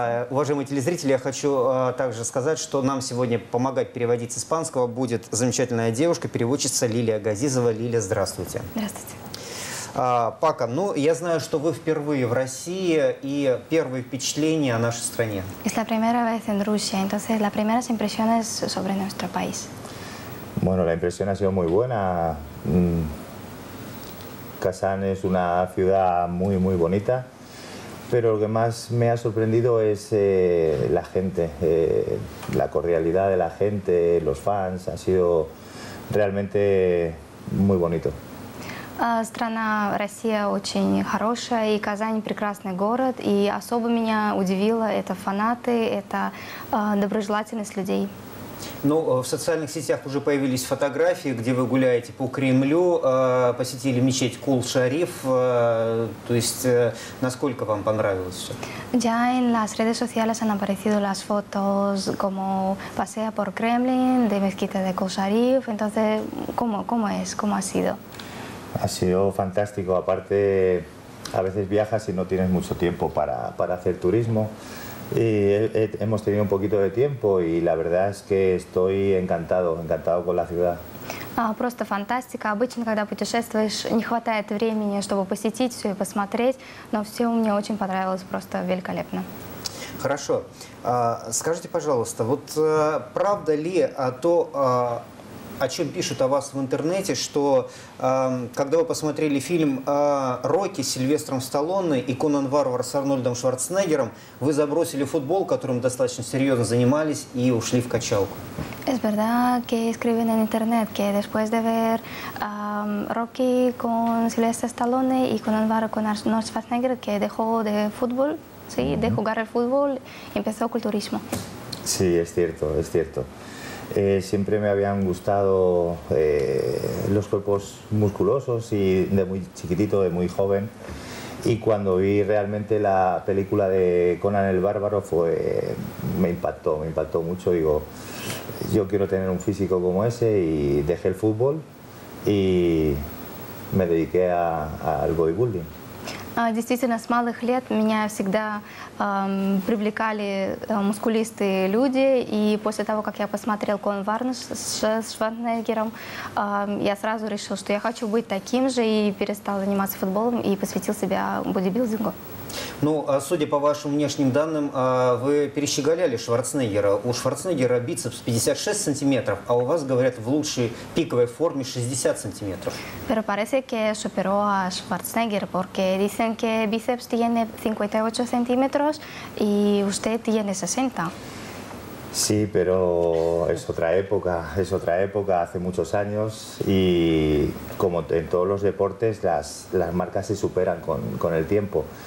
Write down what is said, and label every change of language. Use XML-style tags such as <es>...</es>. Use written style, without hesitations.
<ru>Уважаемые телезрители, я хочу также сказать, что нам сегодня помогать переводить с испанского будет замечательная девушка, переводчица Лилия Газизова. Лилия, здравствуйте. Здравствуйте. Пако, ну, я знаю, что вы впервые в России и первые впечатления о нашей стране.</ru> <es>Es la primera vez en Rusia, entonces las primeras impresiones sobre nuestro país. Bueno, la impresión ha sido muy buena. Kazán es una ciudad muy, muy bonita, pero lo que más me ha sorprendido es la gente, la cordialidad de la gente, los fans, ha sido realmente muy bonito.</es> <ru>Страна Россия очень хорошая, и Казань прекрасный город, и особо меня удивило это фанаты, это доброжелательность людей. Ну, в социальных сетях уже появились фотографии, где вы гуляете по Кремлю, посетили мечеть Кул-Шариф. То есть, насколько вам понравилось все?</ru> <es>Ya en las redes sociales han aparecido las fotos como pasea por Kremlin, de mezquita de Kul-Sharif. Entonces, ¿cómo es? ¿Cómo ha sido? Ha sido fantástico. Aparte, a veces viajas y no tienes mucho tiempo para hacer turismo. Y hemos tenido un poquito de tiempo y la verdad es que estoy encantado, encantado con la ciudad.</es> <ru>Просто фантастика. Обычно, когда путешествуешь, не хватает времени, чтобы посетить все и посмотреть, но все мне очень понравилось, просто великолепно. Хорошо. Скажите, пожалуйста, вот правда ли то, о чем пишут о вас в интернете, что когда вы посмотрели фильм «Рокки» с Сильвестром Сталлоне и «Конан Варвар» с Арнольдом Шварценеггером, вы забросили футбол, которым достаточно серьезно занимались, и ушли в качалку?</ru> <es>Es verdad que escriben en internet que después de ver Rocky con Sylvester Stallone y con Álvaro con Arnold Schwarzenegger que dejó de fútbol, sí, de jugar al fútbol, empezó el culturismo. Sí, es cierto, es cierto. Siempre me habían gustado los cuerpos musculosos y de muy chiquitito, de muy joven. Y cuando vi realmente la película de Conan el Bárbaro, me impactó mucho. Digo, yo quiero tener un físico como ese y dejé el fútbol y me dediqué al bodybuilding.</es> <ru>Действительно, с малых лет меня всегда привлекали мускулистые люди, и после того, как я посмотрел «Конан Варвар» с Шварценеггером, я сразу решил, что я хочу быть таким же, и перестал заниматься футболом и посвятил себя бодибилдингу. Ну, судя по вашим внешним данным, вы перещеголяли Шварценеггера. У Шварценеггера бицепс 56 сантиметров, а у вас, говорят, в лучшей пиковой форме 60 сантиметров.</ru> <es>Pero parece que superó a Schwarzenegger, porque dicen que bíceps tiene 58 centímetros y usted tiene 60. Sí, pero es otra época, hace muchos años, y como en todos los deportes, las marcas se superan con el tiempo.</es>